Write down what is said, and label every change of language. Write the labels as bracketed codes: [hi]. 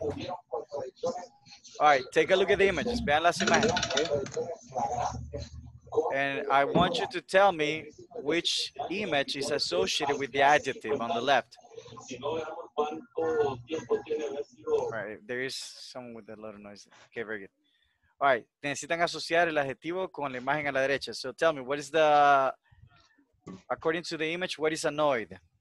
[en] All right, take a look at the images. [es] Vean las imágenes. [en] And I want you to tell me which image is associated with the adjective on the left? All right, there is someone with a lot of noise. Okay, very good. All right, [es] necesitan asociar el adjetivo con la imagen a la derecha. [en] So tell me, what is the, according to the image, what is annoyed?